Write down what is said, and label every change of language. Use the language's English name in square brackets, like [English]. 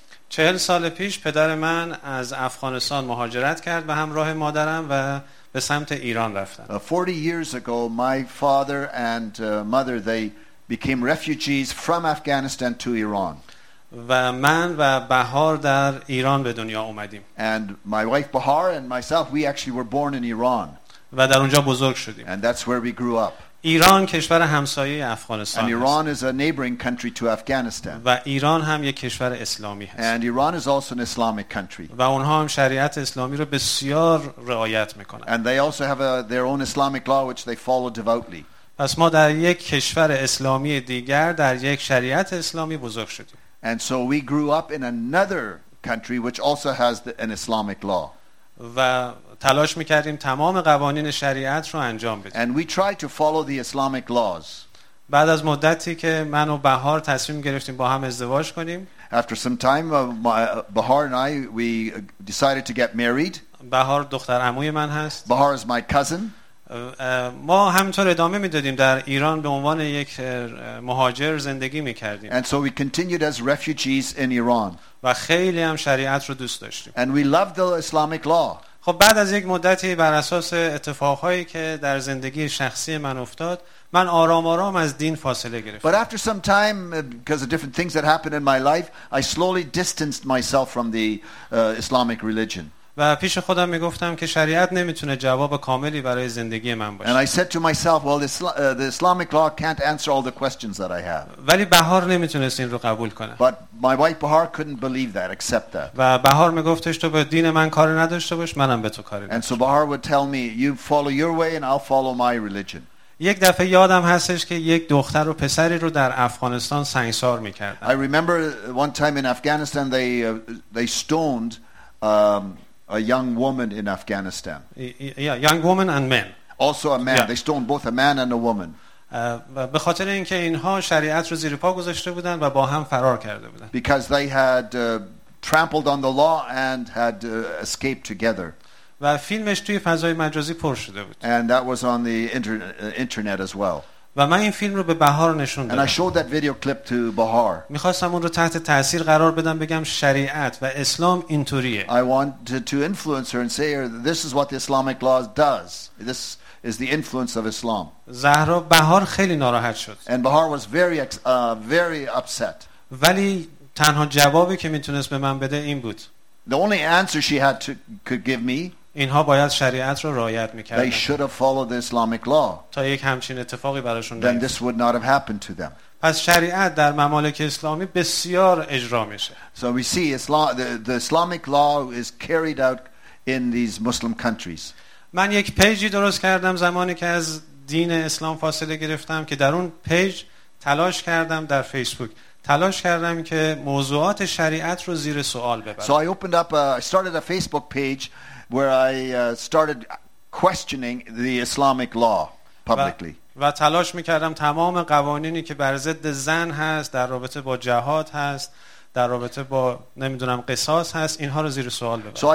[Persian] 40 سال پیش پدر من از افغانستان مهاجرت کرد به همراه مادرم و به سمت ایران رفتن. [English] 40 years ago, my father and mother, they became refugees from Afghanistan to Iran. [Persian] و من و بهار در ایران به دنیا اومدیم. [English] And my wife Bahar and myself, we actually were born in Iran. [Persian] و در اونجا بزرگ شدیم. [English] And that's where we grew up. [Persian] ایران کشور همسایه افغانستان [English] And Iran is a neighboring country to Afghanistan. [Persian] و ایران هم یک کشور اسلامی هست. [English] And Iran is also an Islamic country. [Persian] و اونها هم شریعت اسلامی رو بسیار رعایت میکنن. [English] And they also have their own Islamic law which they follow devoutly. [Persian] پس ما در یک کشور اسلامی دیگر در یک شریعت اسلامی بزرگ شدیم. [English] And so we grew up in another country which also has an Islamic law. [Persian] و تلاش می‌کردیم تمام قوانین شریعت رو انجام بدیم. [English] And we tried to follow the Islamic laws. [Persian] بعد از مدتی که من و بهار تصمیم گرفتیم با هم ازدواج کنیم. [English] After some time Bahar and I we decided to get married. [Persian] بهار دختر عموی من هست. [English] Bahar is my cousin. [Persian] ما همینطور ادامه میدادیم در ایران به عنوان یک مهاجر زندگی میکردیم [English] And so we continued as refugees in Iran. [Persian] و خیلی هم شریعت رو دوست داشتیم [English] And we loved the Islamic law. [Persian] خب بعد از یک مدتی بر اساس اتفاقهایی که در زندگی شخصی من افتاد من آرام آرام از دین فاصله گرفتم [English] But after some time because of different things that happened in my life I slowly distanced myself from the Islamic religion. [Persian] و پیش خودم میگفتم که شریعت نمیتونه جواب کاملی برای زندگی من باشه. [English] And I said to myself, well, the Islamic law can't answer all the questions that I have. [Persian] ولی بهار نمیتونست این رو قبول کنه. [English] But my wife Bahar couldn't believe that, accept that. [Persian] و بهار میگفتش تو به دین من کار نداشته باش، منم به تو کاری ندارم. [English] And so Bahar would tell me, you follow your way and I'll follow my religion. [Persian] یک دفعه یادم هستش که یک دختر و پسری رو در افغانستان سنگسار میکردن. [English] I remember one time in Afghanistan they stoned a young woman in Afghanistan. Yeah, young woman and men. Also a man. Yeah. They stoned both a man and a woman. [Persian] به خاطر اینکه اینها شریعت رو زیر پا گذاشته بودند و با هم فرار کرده بودند. [English] Because they had trampled on the law and had escaped together. [Persian] و فیلمش توی فضای مجازی پر شده بود. [English] And that was on the internet as well. [Persian] و من این فیلم رو به بهار نشون دادم. [English] And I showed that video clip to Bahar. [Persian] می‌خواستم اون رو تحت تاثیر قرار بدم بگم شریعت و اسلام اینطوریه. [English] I wanted to influence her and say this is what the Islamic law does. This is the influence of Islam. [Persian] زهرا بهار خیلی ناراحت شد. [English] And Bahar was very very upset. [Persian] ولی تنها جوابی که میتونست به من بده این بود. [English] The only answer she had to could give me [Persian] اینها باید شریعت رو رعایت میکردن. [English] They should have followed the Islamic law. [Persian] تا یک همچین اتفاقی براشون نیفتاد. [English] Then this would not have happened to them. [Persian] پس شریعت در ممالک اسلامی بسیار اجرا میشه. [English] So we see Islam, the Islamic law is carried out in these Muslim countries. [Persian] من یک پیجی درست کردم زمانی که از دین اسلام فاصله گرفتم که در اون پیج تلاش کردم در فیسبوک. تلاش کردم که موضوعات شریعت رو زیر سوال ببرم. [English] So I opened up I started a Facebook page where I started questioning the Islamic law publicly. [Persian] و تلاش می‌کردم تمام قوانینی که بر ضد زن هست، در رابطه با جهاد هست، در رابطه با نمی‌دونم قصاص هست، اینها رو زیر سوال ببرم.